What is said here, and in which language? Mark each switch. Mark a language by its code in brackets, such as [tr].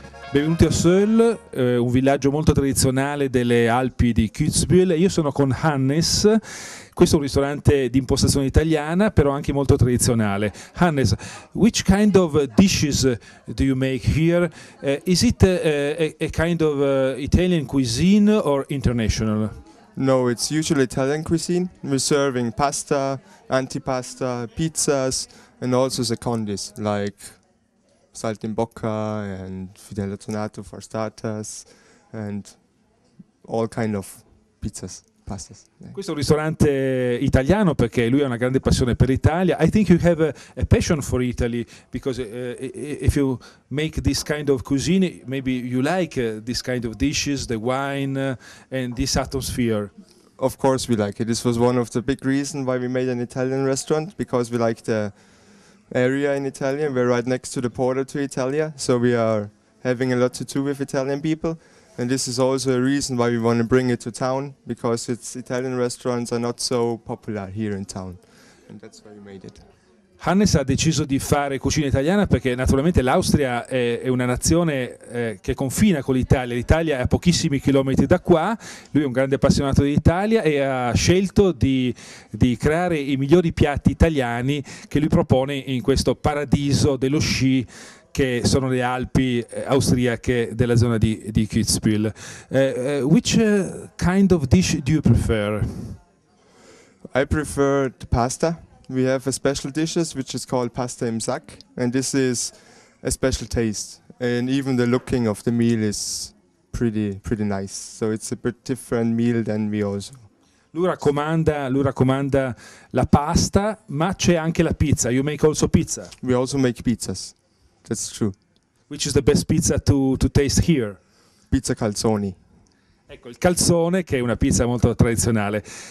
[it] Benvenuti a Söll, un villaggio molto tradizionale delle Alpi di Kitzbühel. Io sono con Hannes, questo è un ristorante di impostazione italiana, però anche molto tradizionale. [en] Hannes, which kind of dishes do you make here? Is it a kind of Italian cuisine or international? No, it's usually Italian cuisine. We're serving pasta, antipasta, pizzas and also secondis, like saltimbocca and fidella tonnato for starters and all kind of pizzas, pastas. [it] Questo è un ristorante italiano perché lui ha una grande passione per l'Italia. [en] I think you have a passion for Italy because if you make this kind of cuisine, maybe you like this kind of dishes, the wine and this atmosphere. Of course we like it. This was one of the big reasons why we made an Italian restaurant, because we like the area in Italy. We're right next to the border to Italia, so we are having a lot to do with Italian people, and this is also a reason why we want to bring it to town, because its Italian restaurants are not so popular here in town, and that's why we made it. [it] Hannes ha deciso di fare cucina italiana perché naturalmente l'Austria è una nazione che confina con l'Italia. L'Italia è a pochissimi chilometri da qua. Lui è un grande appassionato d'Italia e ha scelto di creare i migliori piatti italiani che lui propone in questo paradiso dello sci, che sono le Alpi austriache della zona di Kitzbühel. [en] Which kind of dish do you prefer? I prefer the pasta. We have a special dishes which is called pasta im Sack, and this is a special taste, and even the looking of the meal is pretty nice, so it's a bit different meal than we also. [it] Lui raccomanda la pasta, ma c'è anche la pizza. [en] You make also pizza? We also make pizzas, that's true. Which is the best pizza to taste here? Pizza calzoni. [it] Ecco, il calzone, che è una pizza molto tradizionale.